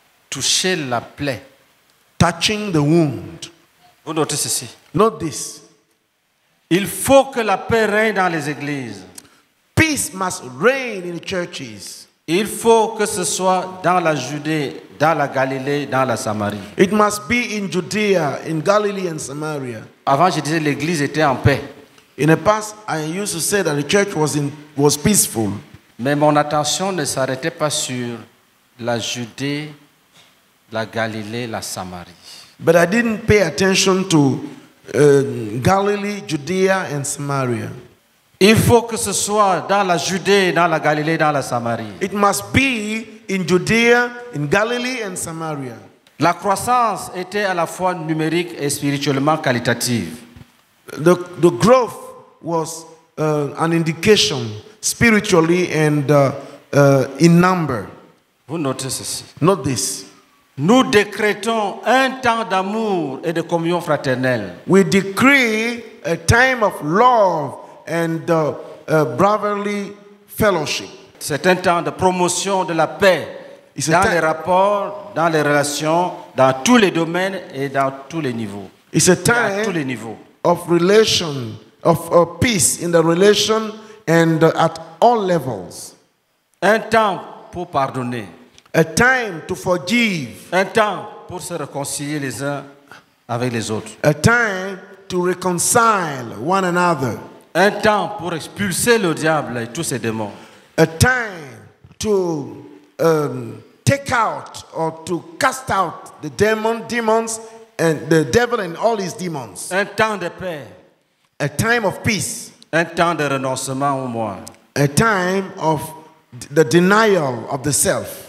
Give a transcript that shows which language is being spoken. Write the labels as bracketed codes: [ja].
[fr] Toucher la plaie. [en] Touching the wound. [fr] Vous notez ceci. [en] Note this. [fr] Il faut que la paix règne dans les églises. [en] Peace must reign in the churches. [fr] Il faut que ce soit dans la Judée, dans la Galilée, dans la Samarie. [en] It must be in Judea, in Galilee and Samaria. [fr] Avant, je disais l'église était en paix. [en] In the past, I used to say that the church was peaceful. [fr] Mais mon attention ne s'arrêtait pas sur la Judée, la Galilée, la Samarie. [en] But I didn't pay attention to Galilee, Judea and Samaria. [fr] Il faut que ce soit dans la Judée, dans la Galilée, dans la Samarie. [en] It must be in Judea, in Galilee and Samaria. [fr] La croissance était à la fois numérique et spirituellement qualitative. [en] The growth was an indication spiritually and in number. [fr] Vous notez ceci. [en] Note this. [fr] Nous décrétons un temps d'amour et de communion fraternelle. [en] We decree a time of love and brotherly fellowship. [fr] C'est un temps de promotion de la paix. [en] It's [fr] dans les rapports, dans les relations, dans tous les domaines et dans tous les niveaux. [en] It's a time [fr] à tous les niveaux. [en] Of relation, of peace in the relation and at all levels. [fr] Un temps pour pardonner. [en] A time to forgive. [fr] Un temps pour se réconcilier les uns avec les autres. [en] A time to reconcile one another. [fr] Un temps pour expulser le diable et tous ses démons. [en] A time to take out or to cast out the demons and the devil and all his demons. [fr] Un temps de paix. [en] A time of peace. [fr] Un temps de renoncement au moi. [en] A time of the denial of the self.